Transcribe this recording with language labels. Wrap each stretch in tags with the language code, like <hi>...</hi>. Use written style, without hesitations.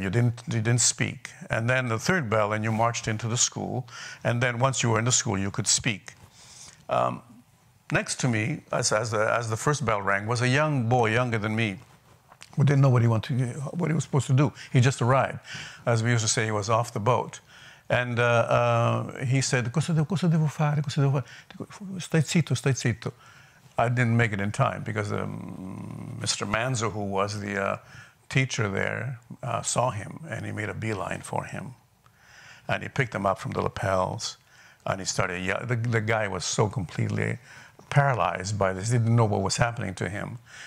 <en>You didn't speak. And then the third bell, and you marched into the school. And then once you were in the school, you could speak. Next to me, as the first bell rang, was a young boy younger than me, who didn't know what he was supposed to do. He just arrived. As we used to say, he was off the boat. And he said,</en> <it>cosa devo fare, cosa devo fare? Stai zitto, stai zitto.</it> <en>I didn't make it in time because Mr. Manzo, who was the teacher there, saw him and he made a beeline for him. And he picked him up from the lapels and he started yelling. The guy was so completely paralyzed by this. He didn't know what was happening to him.</en>